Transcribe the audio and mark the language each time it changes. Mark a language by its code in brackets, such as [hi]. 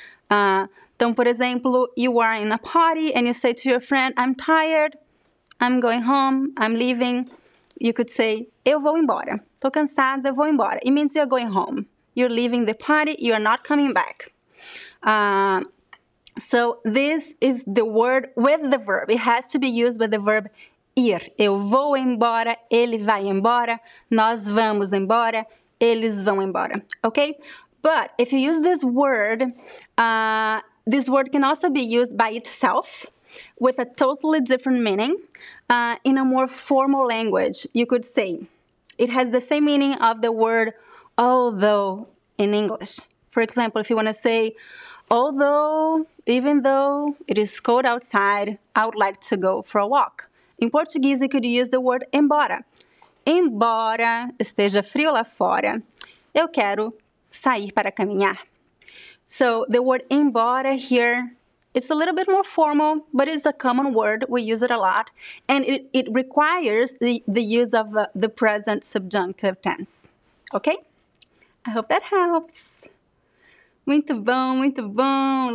[pt] Então, por exemplo, [en] you are in a party and you say to your friend, I'm tired, I'm going home, I'm leaving. You could say, [pt] eu vou embora, tô cansada, vou embora. [en] It means you're going home, you're leaving the party, you're not coming back. So this is the word with the verb. It has to be used with the verb ir. [pt] Eu vou embora, ele vai embora, nós vamos embora, eles vão embora. [en] Okay? But if you use this word can also be used by itself with a totally different meaning in a more formal language. You could say it has the same meaning of the word although in English. For example, if you want to say, although, even though it is cold outside, I would like to go for a walk. In Portuguese, you could use the word embora. [pt] Embora esteja frio lá fora, eu quero sair para caminhar. [en] So the word embora here, it's a little bit more formal, but it's a common word. We use it a lot. And it requires the use of the present subjunctive tense. Okay? I hope that helps. [pt] Muito bom, muito bom.